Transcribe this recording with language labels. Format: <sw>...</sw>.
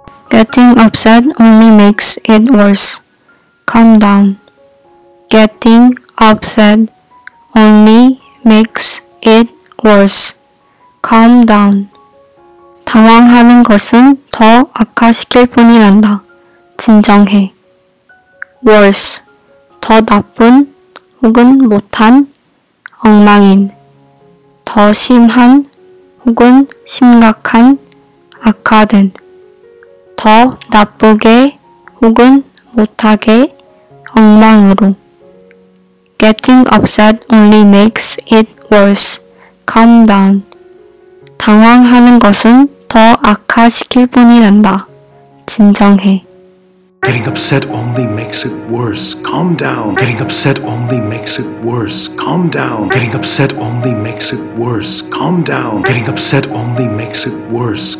<en>Getting upset only makes it worse. Calm down. Getting upset only makes it worse. Calm down.</en> <ko>당황하는 것은 더 악화시킬 뿐이란다. 진정해.</ko> <en>Worse.</en> <ko>더 나쁜 혹은 못한 엉망인. 더 심한 혹은 심각한 악화된. 더 나쁘게 혹은 못하게 엉망으로.</ko> <en>Getting upset only makes it worse. Calm down.</en> <ko>당황하는 것은 더 악화시킬 뿐이란다. 진정해.</ko> <en>Getting upset only makes it worse. Calm down. Getting upset only makes it worse. Calm down. Getting upset only makes it worse. Calm down. Getting upset only makes it worse.</en>